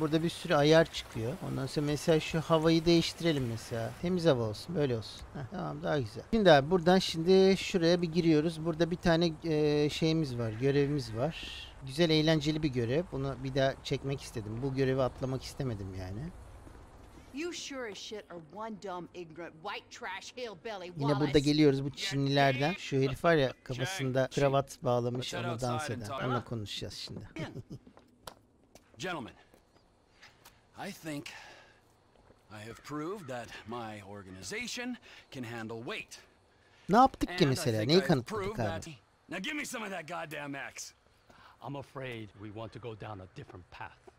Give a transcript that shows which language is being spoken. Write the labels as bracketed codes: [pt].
[tr] Burada bir sürü ayar çıkıyor. Ondan sonra mesela şu havayı değiştirelim mesela. Temiz hava olsun. Böyle olsun. Heh, tamam, daha güzel. Şimdi abi buradan şimdi şuraya bir giriyoruz. Burada bir tane şeyimiz var. Görevimiz var. Güzel, eğlenceli bir görev. Bunu bir daha çekmek istedim. Bu görevi atlamak istemedim yani. [en] You sure as shit are one dumb ignorant white trash hillbilly. [tr] Yine burada geliyoruz bu Çinlilerden. Şu herif var ya, kafasında kravat bağlamış, onu dans eden. Onunla konuşacağız şimdi. [en] Gentlemen, I think I have proved that my organization can handle weight. [tr] Ne yaptık ki mesela? Neyi kanıtladık abi? [en] Now give me some of that goddamn axe. I'm afraid we want to go down a different path.